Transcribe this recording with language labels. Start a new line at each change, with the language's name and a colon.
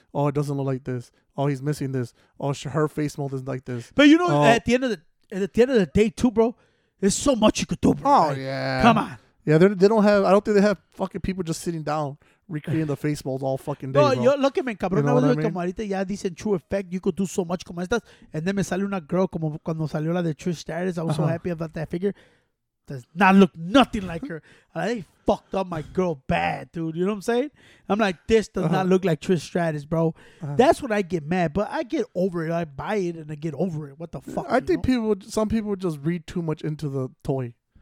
English: Oh, it doesn't look like this. Oh, he's missing this. Oh, her face mold isn't like this. But you know, at the end of the day, too, bro, there's so much you could do, bro. Oh, yeah. Come on. Yeah, they don't have, I don't think they have fucking people just sitting down recreating the face mold all fucking day, bro. Look at me, cabrón. You know what I mean? Como ahorita ya dicen True Effect, you could do so much como estas.
Spanish: And then me salió una girl como cuando salió la de True Status. I was so happy about that figure.
English: Does not look nothing like her. They fucked up my girl bad, dude. You know what I'm saying? I'm like, this does not look like Trish Stratus, bro. Uh-huh. That's when I get mad, but I get over it. I buy it and I get over it. What the fuck? I think some people just read too much into the toy.